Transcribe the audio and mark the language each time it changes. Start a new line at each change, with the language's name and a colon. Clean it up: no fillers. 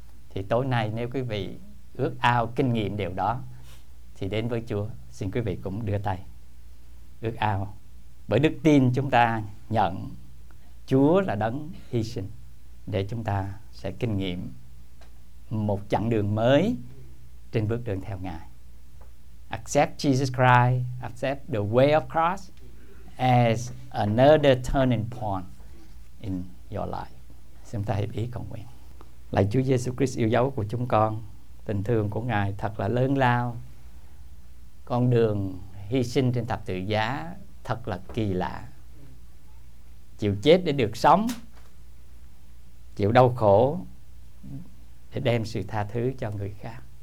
Vietnamese: Thì tối nay nếu quý vị ước ao kinh nghiệm điều đó thì đến với Chúa, xin quý vị cũng đưa tay ước ao. Bởi đức tin chúng ta nhận Chúa là đấng hy sinh để chúng ta sẽ kinh nghiệm một chặng đường mới trên bước đường theo Ngài.
English: Accept Jesus Christ, accept the way of cross as another turning point in your life.
Vietnamese: Xin ta hiệp ý cầu nguyện. Lạy Chúa Giêsu Christ yêu dấu của chúng con, tình thương của Ngài thật là lớn lao. Con đường hy sinh trên thập tự giá thật là kỳ lạ. Chịu chết để được sống, chịu đau khổ để đem sự tha thứ cho người khác.